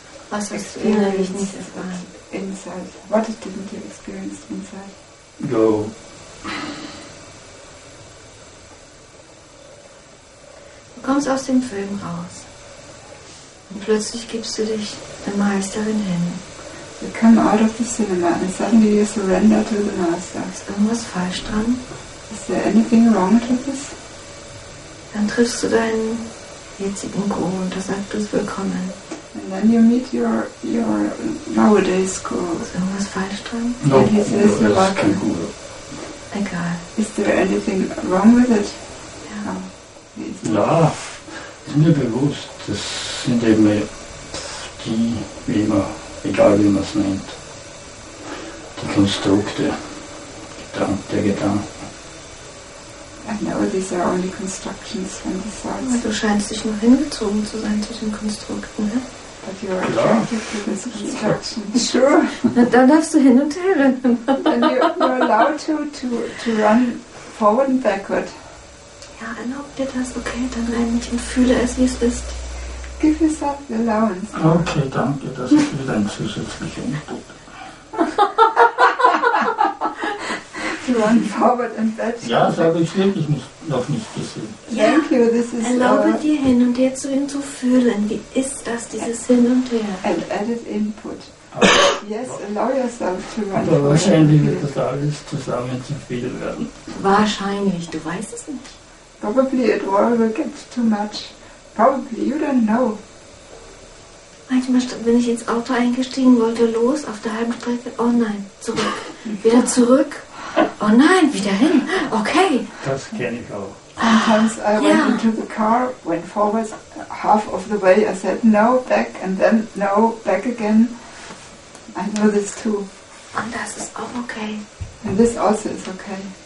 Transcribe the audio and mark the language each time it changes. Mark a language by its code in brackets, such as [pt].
[de] Was hast du innerlich nicht erfahren? [en] Inside. What didn't you experience inside? No. [de] Du kommst aus dem Film raus. Und plötzlich gibst du dich der Meisterin hin. [en] You come out of the cinema and suddenly you surrender to the master. [de] Ist irgendwas falsch dran? [en] Is there anything wrong with this? [de] Dann triffst du deinen jetzigen Guru und da sagst du es willkommen. [en] And then you meet your nowadays Guru. [de] Ist irgendwas falsch dran? [en] No, and he says you're welcome. [de] Egal. [en] Is there anything wrong with it? [de] Ja. Ja, ist mir bewusst. Das sind eben die, wie immer. Egal wie man es nennt, die Konstrukte, der Gedanken. [en] I know these are only constructions from the thoughts. [de] Du scheinst dich nur hingezogen zu sein zu den Konstrukten, ne? [en] But you are attracted to this construction. [de] Sure. Dann darfst du hin und her rennen. [en] And you're allowed to run forward and backward. [de] Ja, erlaub dir das, okay, dann renne ich und fühle es, wie es ist. [en] Give yourself the allowance. Now. [de] Okay, danke, das ist wieder ein zusätzlicher Input. [en] To run forward and back. [de] Ja, das habe ich wirklich noch nicht gesehen. [en] Yeah. Thank you, this is [de] erlaube dir hin und her zu ihm zu fühlen. Wie ist das, dieses Hin und Her? [en] And added input. Yes, allow yourself to run forward. [de] Aber wahrscheinlich wird das alles zusammen zu viel werden. Wahrscheinlich, du weißt es nicht. [en] Probably it will get too much. Probably, you don't know. [de] Manchmal bin ich ins Auto eingestiegen, wollte los, auf der halben Strecke, oh nein, zurück. Wieder zurück, oh nein, wieder hin, okay. Das kenne ich auch. [en] Sometimes I went into the car, went forward half of the way, I said no, back, and then no, back again. I know this too. [de] Und das ist auch okay. [en] And this also is okay.